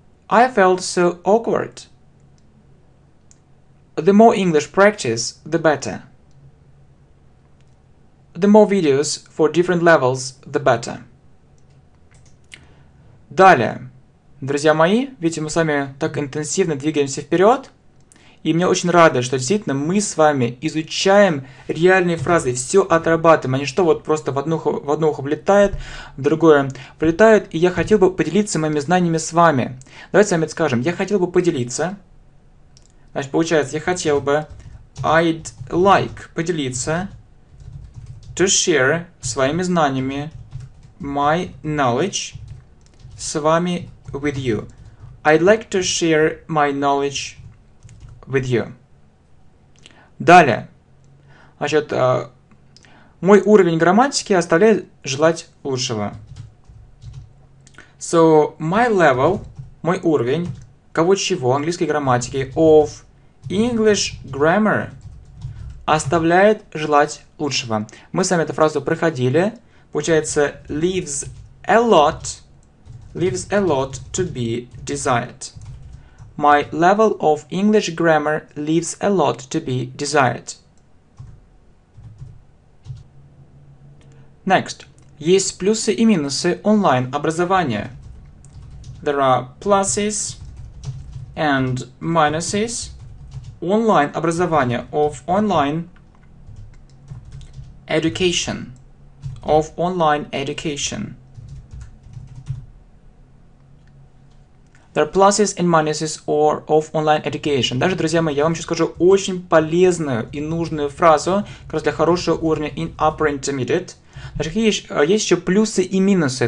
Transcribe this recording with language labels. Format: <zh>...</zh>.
<en>I felt so awkward. The more English practice, the better. The more videos for different levels, the better.</en> <ru>Далее. Друзья мои, видите, мы с вами так интенсивно двигаемся вперед. И мне очень радует, что действительно мы с вами изучаем реальные фразы, все отрабатываем, а не что вот просто в одно ухо влетает, в другое влетает. И я хотел бы поделиться моими знаниями с вами. Давайте с вами это скажем. Я хотел бы поделиться. Значит, получается, я хотел бы</ru> <en>I'd like</en> <ru>поделиться</ru> <en>to share</en> <ru>своими знаниями</ru> <en>my knowledge</en> <ru>с вами</ru> <en>with you. I'd like to share my knowledge with you.</en> <ru>Далее. Значит, мой уровень грамматики оставляет желать лучшего.</ru> <en>So, my level,</en> <ru>мой уровень, кого-чего, английской грамматики,</ru> <en>of English grammar,</en> <ru>оставляет желать лучшего. Мы с вами эту фразу проходили.</ru> <en>Получается, leaves a lot to be desired. My level of English grammar leaves a lot to be desired. Next.</en> <ru>Есть плюсы и минусы онлайн-образования.</ru> <en>There are pluses and minuses</en> <ru>онлайн-образования,</ru> <en>of online education. Of online education. There are pluses and minuses of online education.</en> <ru>Даже, друзья мои, я вам сейчас скажу очень полезную и нужную фразу, как раз для хорошего уровня</ru> <en>in upper intermediate.</en> <ru>Значит, есть еще плюсы и минусы.</ru>